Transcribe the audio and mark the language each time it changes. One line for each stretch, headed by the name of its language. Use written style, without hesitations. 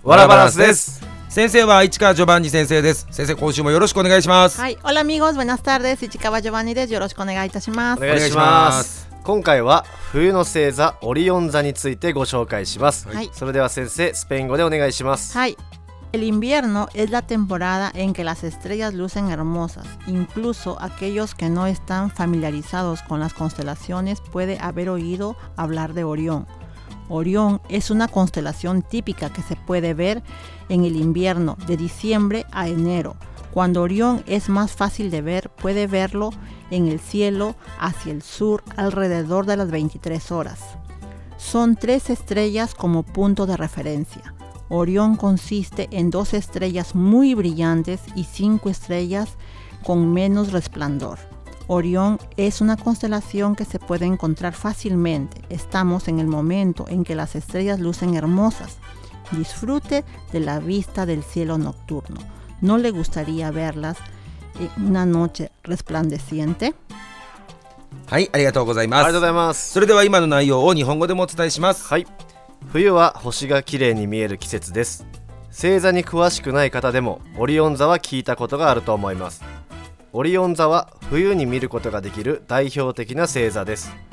Japanese: ワラバランスです。先生は市川ジョバンニ先生です。先生、今週もよろしくお願いします。はい、オラミゴーズ、ブナスタールです。市川ジョバンニです。よろしくお願いいたします。お願いします。今回は冬の星座オリオン座についてご紹介します。はい、それでは先生、スペイン語でお願いします。はい。
Spanish: El invierno es la temporada en que las estrellas lucen hermosas. Incluso aquellos que no están familiarizados con las constelaciones puede haber oído hablar de Orión. Orión es una constelación típica que se puede ver en el invierno, de diciembre a enero. Cuando Orión es más fácil de ver, puede verlo en el cielo hacia el sur alrededor de las 23 horas. Son tres estrellas como punto de referencia. Orión consiste en dos estrellas muy brillantes y cinco estrellas con menos resplandor. Orión es una constelación que se puede encontrar fácilmente. Estamos en el momento en que las estrellas lucen hermosas. Disfrute de la vista del cielo nocturno. ¿No le gustaría verlas en una noche resplandeciente?
Japanese: はい、ありがとうございます。ありがとうございます。それでは今の内容を日本語でもお伝えします。はい。冬は星が綺麗に見える季節です。星座に詳しくない方でもオリオン座は聞いたことがあると思います。オリオン座は冬に見ることができる代表的な星座です。